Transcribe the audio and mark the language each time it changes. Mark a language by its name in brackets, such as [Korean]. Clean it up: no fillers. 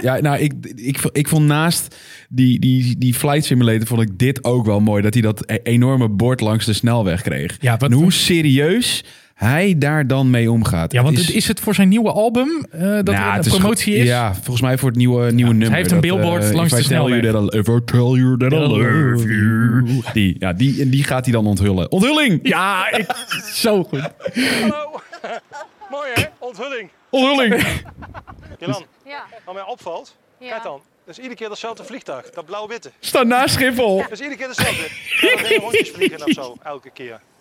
[Dutch] Ja, nou, ik vond naast die flight simulator vond ik dit ook wel mooi. Dat hij dat enorme bord langs de snelweg kreeg. Ja, en hoe serieus... hij daar dan mee omgaat. Ja, want is het voor zijn nieuwe album de promotie is? Ja, volgens mij voor het nieuwe nummer. Hij heeft een billboard langs de snelweg. [English] If I tell you that I love you. [Dutch] Die gaat hij dan onthullen. Onthulling! Ja, zo goed. Hallo. Mooi, hè? Onthulling. Onthulling. Jelan, wat mij opvalt, kijk dan. Dat is iedere keer datzelfde vliegtuig, dat blauw-witte. Sta naast Schiphol. Dat is iedere keer datzelfde. Dat rondjes vliegen of zo, elke keer.